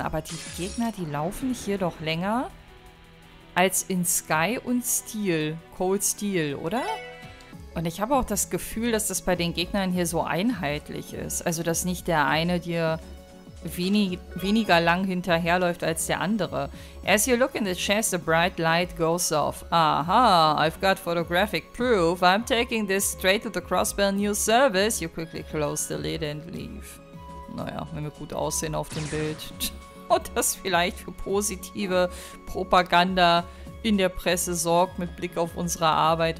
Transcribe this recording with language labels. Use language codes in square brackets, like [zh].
[de] Aber die Gegner, die laufen hier doch länger als in Sky und Steel. Cold Steel, oder? Und ich habe auch das Gefühl, dass das bei den Gegnern hier so einheitlich ist. Also, dass nicht der eine dir weniger lang hinterherläuft als der andere. [en] As you look in the chest, a bright light goes off. Aha, I've got photographic proof. I'm taking this straight to the Crossbell News Service. You quickly close the lid and leave. [de] Naja, wenn wir gut aussehen auf dem Bild. Und das vielleicht für positive Propaganda in der Presse sorgt mit Blick auf unsere Arbeit.